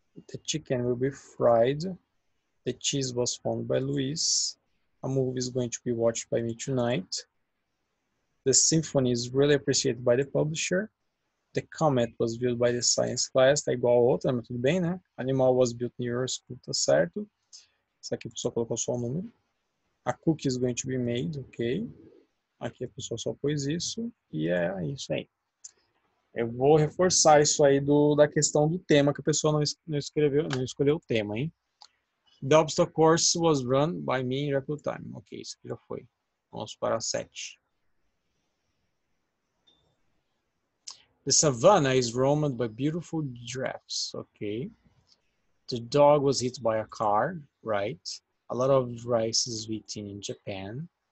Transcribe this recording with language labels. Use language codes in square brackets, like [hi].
[en] The chicken will be fried. The cheese was found by Louise. A movie is going to be watched by me tonight. The symphony is really appreciated by the publisher. The comet was viewed by the science class. [pt] Tá igual a outra, mas tudo bem, né? [en] Animal was built near your school, [pt] tá certo. Isso aqui a pessoa colocou só o número. [en] A cookie is going to be made, ok. [pt] Aqui a pessoa só pôs isso. E é isso aí. Eu vou reforçar isso aí da questão do tema, que a pessoa não escreveu, não escolheu o tema, hein? [en] The obstacle course was run by me in record time. [pt] Ok, isso aqui já foi. Vamos para a 7. [en] The savanna is roamed by beautiful giraffes. Okay. The dog was hit by a car. Right. A lot of rice is eaten in Japan.